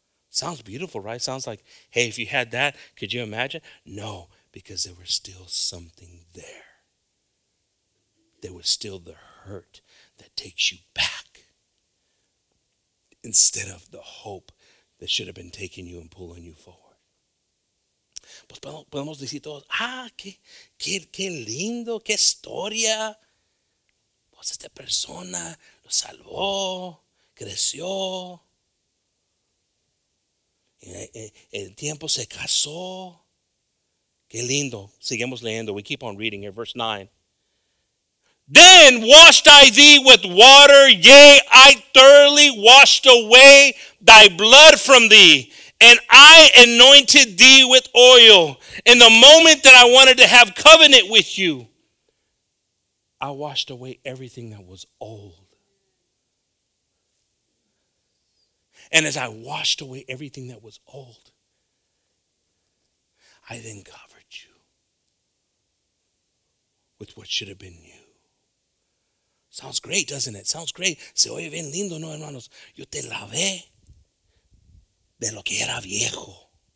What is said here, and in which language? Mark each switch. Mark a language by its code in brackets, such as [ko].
[en] Sounds beautiful, right? Sounds like, hey, if you had that, could you imagine? No, because there was still something there. There was still the hurt that takes you back instead of the hope that should have been taking you and pulling you forward. [es] Pues podemos decir todos, qué lindo, qué historia. Pues esta persona lo salvó, creció. El tiempo se casó. Qué lindo. Sigamos leyendo. [en] We keep on reading here. Verse 9. Then washed I thee with water. Yea, I thoroughly washed away thy blood from thee. And I anointed thee with oil. In the moment that I wanted to have covenant with you, I washed away everything that was old. And as I washed away everything that was old, I then covered you with what should have been new. Sounds great, doesn't it? Sounds great. [es] Se oye bien lindo, ¿no, hermanos? Yo te lavé de lo que era viejo.